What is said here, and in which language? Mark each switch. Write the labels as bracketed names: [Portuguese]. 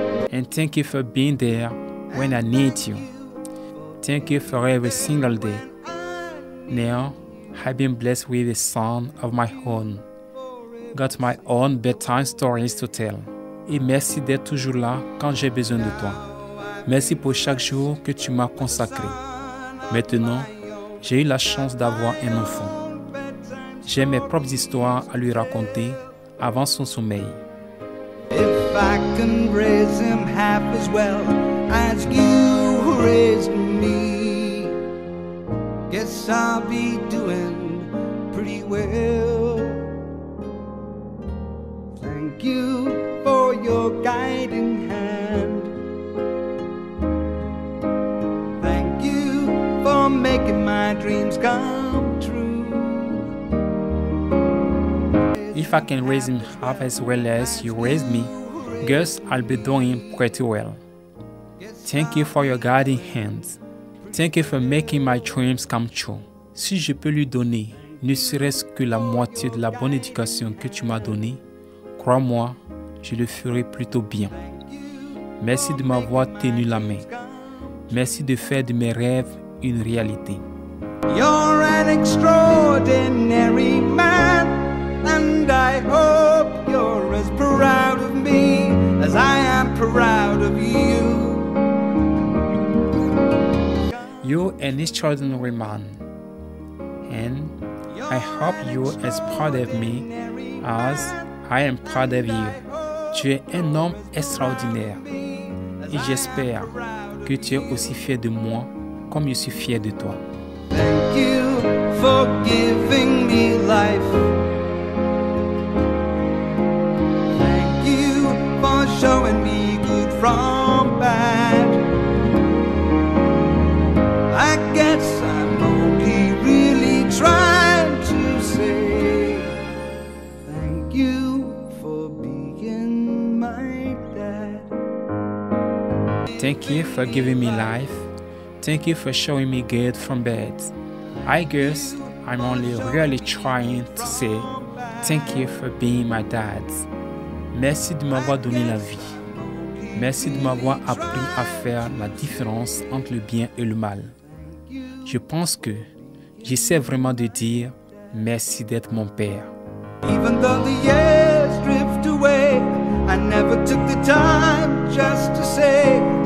[English] And thank you for being there when I need you. Thank you for every single day. Now, I've been blessed with a son of my own. Got my own bedtime stories to tell. [French] Et merci d'être toujours là quand j'ai besoin de toi. Merci pour chaque jour que tu m'as consacré. Maintenant, j'ai eu la chance d'avoir un enfant. J'ai mes propres histoires à lui raconter avant son sommeil. [English] If I can raise him half as well as you raised me, guess I'll be doing pretty well. Thank you for your guiding hand. Thank you for making my dreams come true. If I can raise him half as well as you raised me, guess I'll be doing pretty well. Thank you for your guiding hands. Thank you for making my dreams come true. [French] Si je peux lui donner ne serait-ce que la moitié de la bonne éducation que tu m'as donnée, crois-moi, je le ferai plutôt bien. Merci de m'avoir tenu la main. Merci de faire de mes rêves une réalité. [English] You're an extraordinary man. And I hope you're as proud of me as I am proud of you. you an extraordinary man, and I hope you are as proud of me as I am proud of you. [French] Tu es un homme extraordinaire, et j'espère que tu es aussi fier de moi comme je suis fier de toi. [English] Thank you for giving me life. Thank you for showing me good from bad. I guess I'm only really trying to say thank you for being my dad. Thank you for giving me life. Thank you for showing me good from bad. I guess I'm only really trying to say thank you for being my dad. [French] Merci de m'avoir donné la vie. Merci de m'avoir appris à faire la différence entre le bien et le mal. Je pense que j'essaie vraiment de dire merci d'être mon père. [English] Even though the years drift away, I never took the time just to say